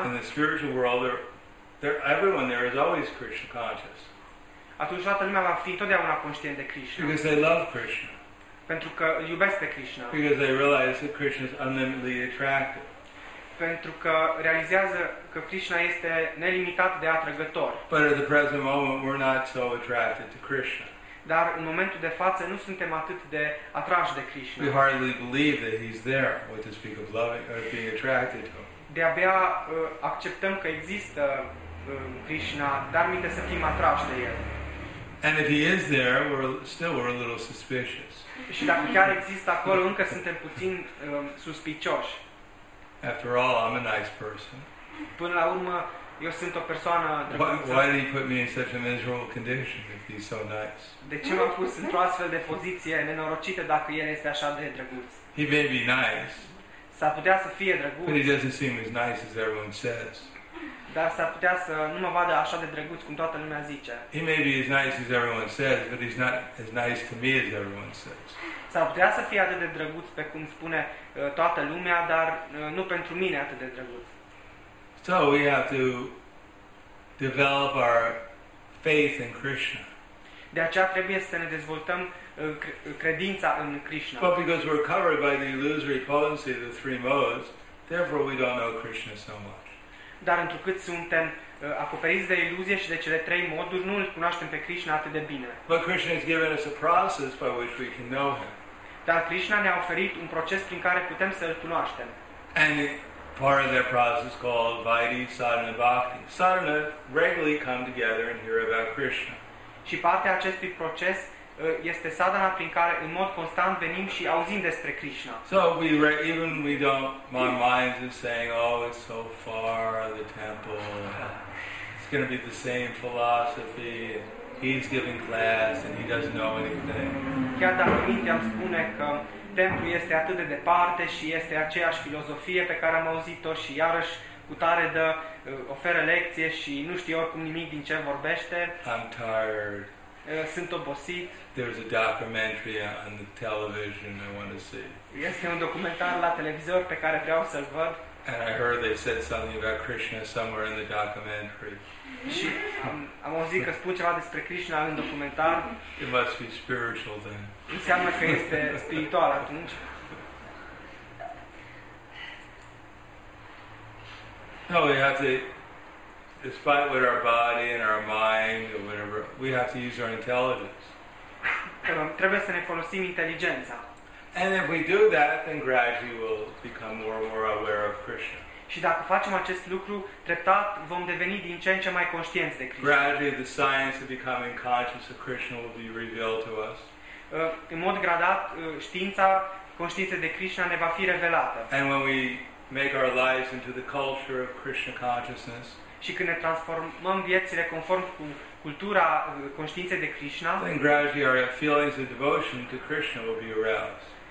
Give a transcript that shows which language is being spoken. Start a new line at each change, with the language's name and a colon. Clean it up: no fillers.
English: In the spiritual world, everyone there is always Krishna conscious.
Romanian: Atunci toată lumea va fi totdeauna conștient de Krishna.
English: Because they love Krishna.
Romanian: Pentru că îl iubesc pe Krishna.
English: Because they realize that Krishna is unlimitedly attractive.
Romanian: Pentru că realizează că Krishna este nelimitat de atrăgător.
English: But at the present moment, we're not so attracted to Krishna.
Romanian: Dar în momentul de față nu suntem atât de atrași de Krishna.
English: We hardly believe that he's there, what to speak of loving or being attracted to.
Romanian: De-abia acceptăm că există Krishna, dar minte să fim atrași de el.
English: And if he is there, we're still a little suspicious.
Romanian: Și dacă chiar există acolo, încă suntem puțin suspicioși.
English: After all, I'm a nice person.
Romanian: Până la urmă, eu sunt o persoană drăguță.
English: Why did he put me in such a miserable condition if he's so nice?
Romanian: De ce m-a pus într-o astfel de poziție nenorocită dacă el este așa de drăguț?
English: He may be nice.
Romanian: S-ar putea să fie drăguț.
English: But he doesn't seem as nice as everyone says.
Romanian: Dar s-ar putea să nu mă vadă așa de drăguț cum toată lumea zice.
English: He may be as nice as everyone says, but he's not as nice to me as everyone says.
Romanian: S-ar putea să fie atât de drăguț pe cum spune toată lumea, dar nu pentru mine atât de drăguț.
English: So we have to develop our faith in Krishna.
Romanian: De aceea trebuie să ne dezvoltăm credința în Krishna.
English: But because we're covered by the illusory potency of the three modes, therefore we don't know Krishna so much.
Romanian: Dar întrucât suntem acoperiți de iluzie și de cele trei moduri, nu îl cunoaștem pe Krishna atât de bine.
English: But Krishna has given us a process by which we can know him.
Romanian: Dar Krishna ne-a oferit un proces prin care putem să îl cunoaștem.
English: And part of that process called Vaidhi Sadhana Bhakti. Sadhana regularly come together and hear about Krishna.
Romanian: Și partea acestui proces este sadhana prin care în mod constant venim și auzim despre Krishna.
English: So we even we don't my mind is saying, oh, it's so far, the temple, it's going to be the same philosophy, he's giving class and he doesn't know anything.
Romanian: Chiar dacă mintea îmi spune că templul este atât de departe și este aceeași filozofie pe care am auzit-o și iarăși cu tare dă oferă lecție și nu știe oricum nimic din ce vorbește,
English: I'm tired.
Romanian: Sunt obosit.
English: There's a documentary on the television I want to see.
Romanian: Este un documentar la televizor pe care vreau să-l văd.
English: And I heard they said something about Krishna somewhere in the documentary.
Romanian: Și am auzit că spun ceva despre Krishna în documentar.
English: It must be spiritual then.
Romanian: Înseamnă că este spiritual atunci.
English: No, we have to, despite what our body and our mind or whatever, we have to use our intelligence.
Romanian: Trebuie să ne folosim inteligența.
English: And if we do that, then gradually we'll become more and more aware of Krishna.
Romanian: Și dacă facem acest lucru, treptat vom deveni din ce în ce mai conștienți de Krishna.
English: Gradually the science of becoming conscious of Krishna will be revealed to us.
Romanian: În mod gradat, știința conștiinței de Krishna ne va fi revelată.
English: And when we make our lives into the culture of Krishna consciousness,
Romanian: și când ne transformăm viețile conform cu cultura conștiinței de Krishna,
English: then gradually our feelings of devotion to Krishna will be aroused.